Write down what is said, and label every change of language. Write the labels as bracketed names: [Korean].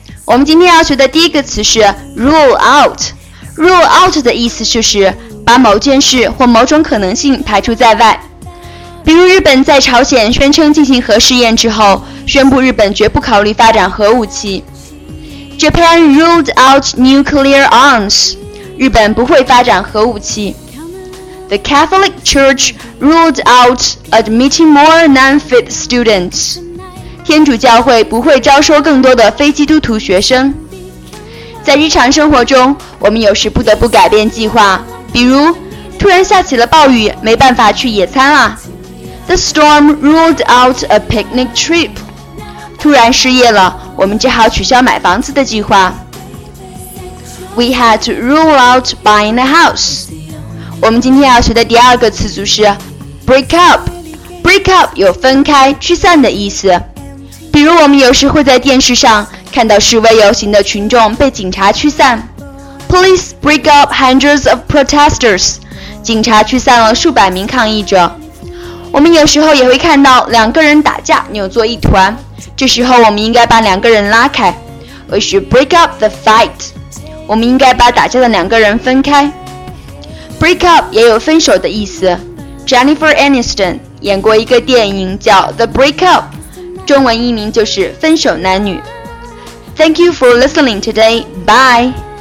[Chinese] 我们今天要学的第一个词是 rule out。rule out 的意思就是把某件事或某种可能性排除在外。比如日本在朝鲜宣称进行核试验之后，宣布日本绝不考虑发展核武器。 [English] Japan ruled out nuclear arms. [Chinese] 日本不会发展核武器。 [English] The Catholic Church ruled out admitting more non-fit students. [Chinese] 天主教会不会招收更多的非基督徒学生。在日常生活中，我们有时不得不改变计划，比如突然下起了暴雨，没办法去野餐了。 [English] The storm ruled out a picnic trip. [Chinese] 突然失业了，我们只好取消买房子的计划。 [English] We had to rule out buying a house. [Chinese] 我们今天要学的第二个词组是 break up. Break up 有分开、驱散的意思。比如我们有时会在电视上看到示威游行的群众被警察驱散。 [English] Police break up hundreds of protesters. [Chinese] 警察驱散了数百名抗议者。我们有时候也会看到两个人打架，扭作一团。这时候我们应该把两个人拉开。 [English] We should break up the fight. [Chinese] 我们应该把打架的两个人分开。Break up 也有分手的意思。 Jennifer Aniston 演过一个电影叫 The Breakup， 中文译名就是分手男女。 [English] Thank you for listening today. Bye.